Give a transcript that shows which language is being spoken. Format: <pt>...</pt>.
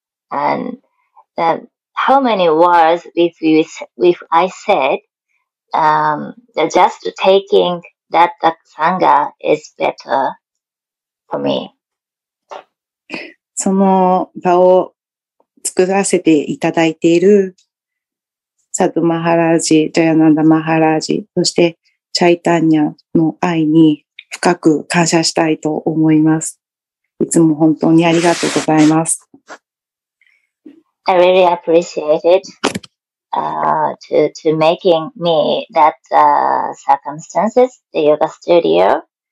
<en>And how many words if I said, just taking that sangha is better for me.</en> <ja>その場を作らせていただいているサドマハラージ、ジャヤナンダマハラージ、そしてチャイタンニャの愛に深く感謝したいと思います。いつも本当にありがとうございます。</ja> <en>I really appreciate it, to making me that, circumstances, the yoga studio.</en>